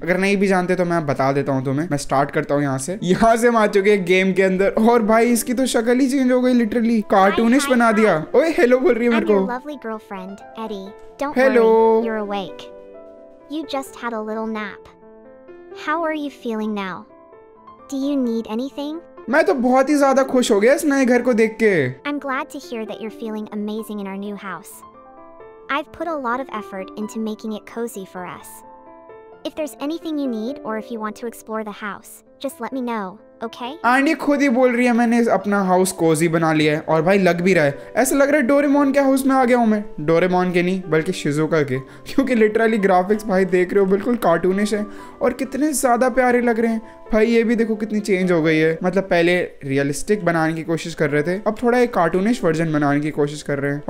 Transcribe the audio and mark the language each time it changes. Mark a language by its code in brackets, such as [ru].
[hi] अगर नहीं भी जानते तो मैं बता देता हूं तुम्हें। मैं स्टार्ट करता हूं यहां से हम आ चुके हैं गेम के अंदर, और भाई इसकी तो शक्ल ही चेंज हो गई, लिटरली कार्टूनिश बना दिया। ओए हेलो बोल रही है मेरे को। [en] Hello, you are awake, you just had a little nap, how are you feeling now? Do you need anything? [hi] मैं तो बहुत ही ज्यादा खुश हो गया इस नए घर को देख के। [en] I'm glad to hear that you're feeling amazing in our new house. I've put a lot of effort into making it cozy for us. If there's anything you need or if you want to explore the house, just let me know. Okay? [hi] खुद ही बोल रही है मैंने अपना house Cozi बना लिया है, और भाई लग भी रहा है, ऐसा लग रहा है डोरेमोन के हाउस में आ गया हूँ मैं। डोरेमोन के नहीं बल्कि शिजुका के, क्योंकि लिटरली ग्राफिक्स भाई देख रहे हो बिल्कुल कार्टूनिश है और कितने ज्यादा प्यारे लग रहे हैं। भाई ये भी देखो कितनी चेंज हो गई है, मतलब पहले रियलिस्टिक बनाने की कोशिश कर रहे थे, अब थोड़ा एक कार्टूनिश वर्जन बनाने की कोशिश कर रहे हैं।